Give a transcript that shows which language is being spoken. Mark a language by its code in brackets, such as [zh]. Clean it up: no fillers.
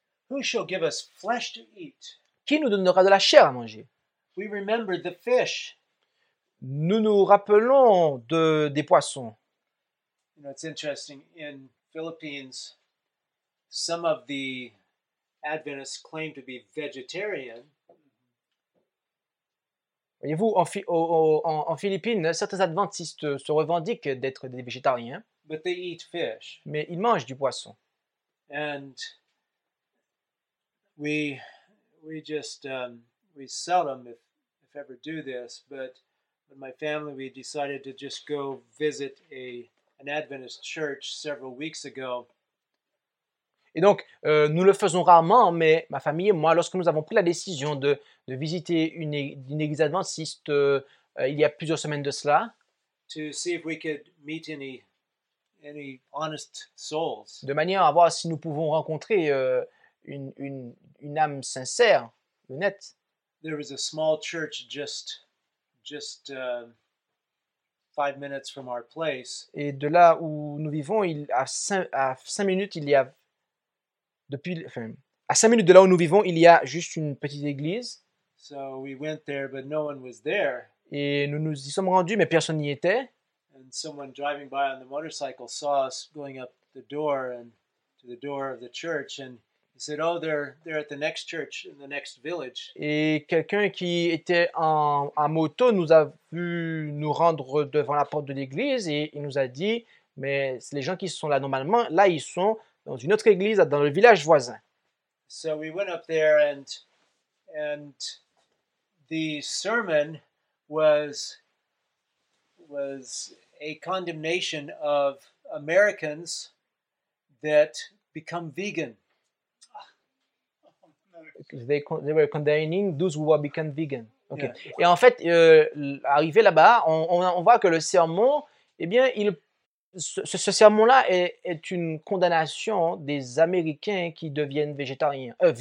[en] Who shall give us flesh to eat? [fr] Qui nous donnera de la chair à manger? [en] We remember the fish. [fr] Nous nous rappelons des poissons. [en] You know, it's interesting. In Philippines, some of the Adventists claim to be vegetarian. [fr] Voyez-vous, en Philippines, certains adventistes se revendiquent d'être des végétariens. [en] But they eat fish. [fr] Mais ils mangent du poisson. [en] And we just we seldom if ever do this, but with my family we decided to just go visit an Adventist church several weeks ago. [fr] Et donc, nous le faisons rarement, mais ma famille et moi, lorsque nous avons pris la décision de visiter une église adventiste il y a plusieurs semaines de cela, [en] to see if we could meet any honest souls. [fr] De manière à voir si nous pouvons rencontrer une âme sincère, honnête. [en] There was a small church just 5 minutes from our place. [fr] Et de là où nous vivons, à 5 minutes, il y a... Depuis, enfin, À 5 minutes de là où nous vivons, il y a juste une petite église. [en] So we went there, but no one was there. [fr] Et nous nous y sommes rendus, mais personne n'y était. [en] And someone driving by on the motorcycle saw us going up the door and to the door of the church and he said, "Oh, they're at the next church in the next village." [fr] Et quelqu'un qui était en moto nous a vu nous rendre devant la porte de l'église et il nous a dit, "Mais c'est les gens qui sont là normalement, là ils sont dans une autre église dans le village voisin." [en] So we went up there and the sermon was a condemnation of Americans that become vegan. They were condemning those who have become vegan. Okay. Yeah. [fr] Et en fait, arrivé là-bas, on voit que le sermon, eh bien, ce sermon-là est une condamnation des Américains qui deviennent végétariens.